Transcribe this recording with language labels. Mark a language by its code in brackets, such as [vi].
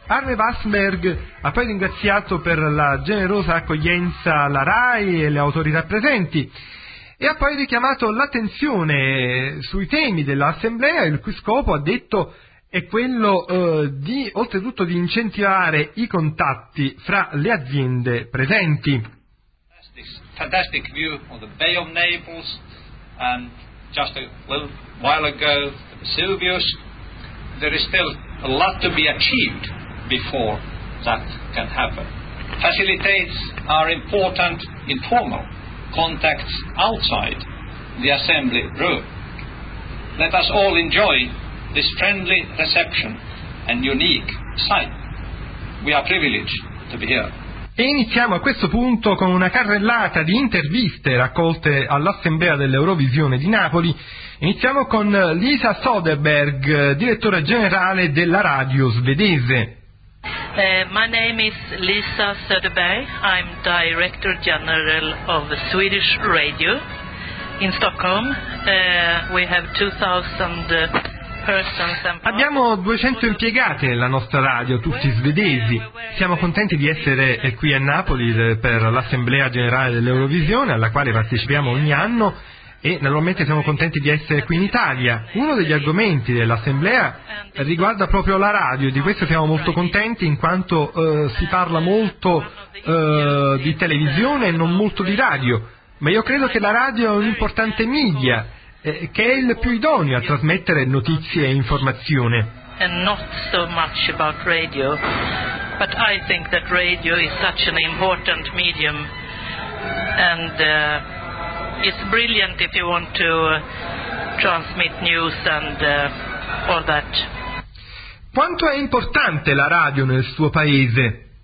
[it] Arne Westberg ha poi ringraziato per la generosa accoglienza la RAI e le autorità presenti, e ha poi richiamato l'attenzione sui temi dell'Assemblea, il cui scopo, ha detto, è quello di, oltretutto, di incentivare i contatti fra le aziende presenti. [en] Fantastic view of the Bay of Naples, and just a little while ago, Vesuvius. There is still a lot to be achieved before that can happen. Facilitates are important informal contacts outside the assembly room. Let us all enjoy this friendly reception and unique sight. We are privileged to be here. [it] E iniziamo a questo punto con una carrellata di interviste raccolte all'Assemblea dell'Eurovisione di Napoli. Iniziamo con Lisa Soderberg, direttore generale della radio svedese. [en] My name is Lisa Söderberg. I'm director general of the Swedish Radio in Stockholm. We have 2,000 [it] Abbiamo 200 impiegate nella nostra radio, tutti svedesi. Siamo contenti di essere qui a Napoli per l'Assemblea Generale dell'Eurovisione, alla quale partecipiamo ogni anno, e naturalmente siamo contenti di essere qui in Italia. Uno degli argomenti dell'Assemblea riguarda proprio la radio, e di questo siamo molto contenti, in quanto si parla molto di televisione e non molto di radio. Ma io credo che la radio è un importante media, che è il più idoneo a trasmettere notizie e informazione. [en] And not so much about radio, but I think that radio is such an important medium, and it's brilliant if you want to transmit news and all that. [it] Quanto è importante la radio nel suo paese?